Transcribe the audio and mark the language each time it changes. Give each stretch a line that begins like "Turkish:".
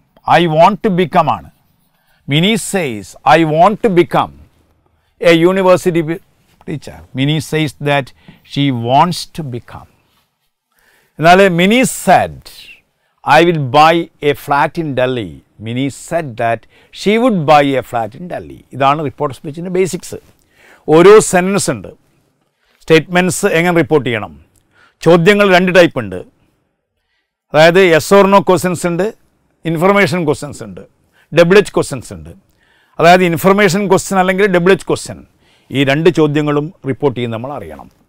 English: I want to become ആണ്. Mini says I want to become a university teacher. Mini says that she wants to become. എന്നാൽ Mini said I will buy a flat in Delhi. Mini said that she would buy a flat in Delhi.
Malayalam: ഇതാണ് report സ്പീച്ചിൻ്റെ basics. ഓരോ sentence ഉണ്ട്, statements എങ്ങനെ report ചെയ്യണം. ചോദ്യങ്ങൾ രണ്ട് type ഉണ്ട്, അതായത് യെസ് ഓർ നോ ക്വസ്റ്റ്യൻസ് ഉണ്ട്, ഇൻഫർമേഷൻ ക്വസ്റ്റ്യൻസ് ഉണ്ട്, ഡബ്ല്യു എച്ച് ക്വസ്റ്റ്യൻസ് ഉണ്ട്. അതായത് ഇൻഫർമേഷൻ ക്വസ്റ്റ്യൻ അല്ലെങ്കിൽ ഡബ്ല്യു എച്ച് ക്വസ്റ്റ്യൻ, ഈ രണ്ട് ചോദ്യങ്ങളും റിപ്പോർട്ട് ചെയ്യുന്ന നമ്മൾ അറിയണം.